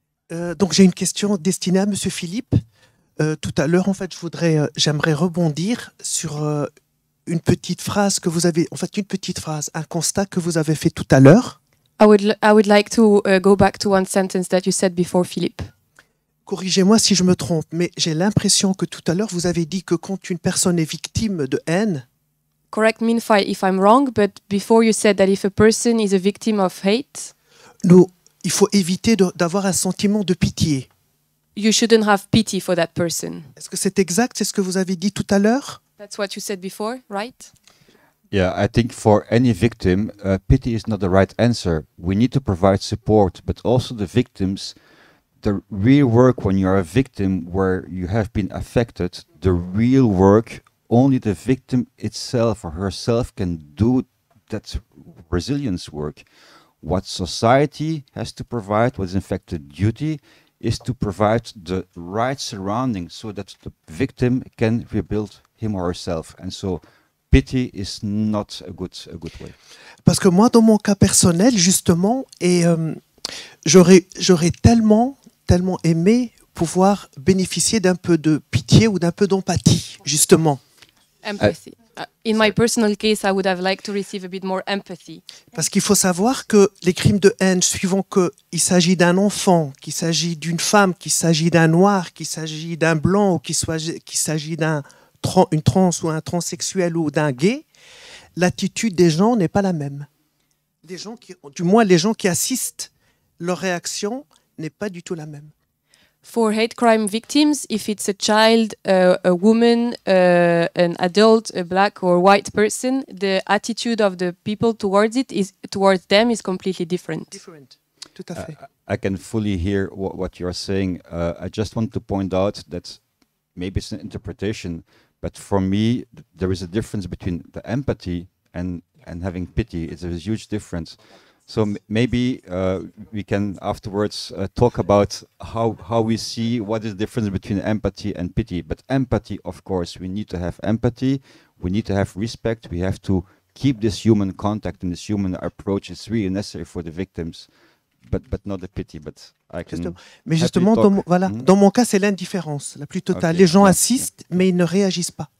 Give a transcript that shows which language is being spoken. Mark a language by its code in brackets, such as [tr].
[fr] Donc j'ai une question destinée à Monsieur Philippe. Tout à l'heure, en fait, j'aimerais rebondir sur une petite phrase que vous avez, en fait, une petite phrase, un constat que vous avez fait tout à l'heure. [en] I would like to go back to one sentence that you said before, Philippe. [fr] Corrigez-moi si je me trompe, mais j'ai l'impression que tout à l'heure vous avez dit que quand une personne est victime de haine. [en] Correct me if I'm wrong, but before you said that if a person is a victim of hate. [fr] Nous, il faut éviter d'avoir un sentiment de pitié. [en] You shouldn't have pity for that person. [fr] Est-ce que c'est exact? C'est ce que vous avez dit tout à l'heure? [en] That's what you said before, right? Yeah, I think for any victim, pity is not the right answer. We need to provide support, but also the victims. The real work when you are a victim where you have been affected, the real work, only the victim itself or herself can do that resilience work. What society has to provide, what is in fact the duty, is to provide the right surrounding so that the victim can rebuild him or herself. And so pity is not a good way. [fr] Parce que moi, dans mon cas personnel, justement, et j'aurais tellement aimé pouvoir bénéficier d'un peu de pitié ou d'un peu d'empathie, justement. [en] Empathy. In my personal case, I would have liked to receive a bit more empathy. [fr] Parce qu'il faut savoir que les crimes de haine, suivant qu'il s'agit d'un enfant, qu'il s'agit d'une femme, qu'il s'agit d'un noir, qu'il s'agit d'un blanc, ou qu'il s'agit d'un une trans ou un transsexuel ou d'un gay, l'attitude des gens n'est pas la même. Du moins, les gens qui assistent, leur réaction n'est pas du tout la même. [en] For hate crime victims, if it's a child, a woman, an adult, a black or white person, the attitude of the people towards it is towards them is completely different. [fr] Different. Tout à fait. [en] I can fully hear what you're saying. I just want to point out that maybe it's an interpretation, but for me there is a difference between the empathy and having pity. It's a huge difference. So maybe we can afterwards talk about how we see what is the difference between empathy and pity. But empathy, of course, we need to have empathy. We need to have respect. We have to keep this human contact and this human approach. It's really necessary for the victims, but not the pity. But I can. [fr] Mais justement, dans mon cas, c'est l'indifférence la plus totale. Okay. Les gens assistent, mais ils ne réagissent pas.